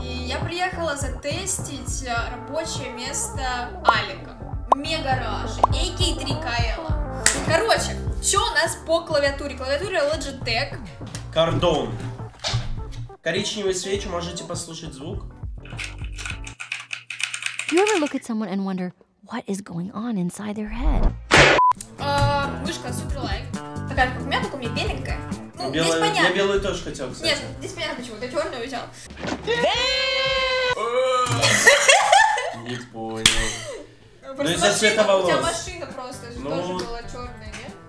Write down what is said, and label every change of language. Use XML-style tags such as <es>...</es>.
<ru>И я приехала затестить рабочее место Алика. Мега Раш, а.к.а. 3КЛ. Короче, что у нас по клавиатуре? Клавиатура Logitech. Кордон. Коричневый свеч, можете послушать звук.</ru> <en>Do you ever look at someone and wonder what is going on inside their head?</en> <ru>Вышка Superlight. Такая как у меня, только у меня беленькая. Ну, белая, здесь понятно. Я белую тоже хотел, кстати. Нет, здесь понятно, почему. Ты черную взял. Не понял. Ну из-за цвета волос. У тебя машина просто тоже была черная, нет?</ru>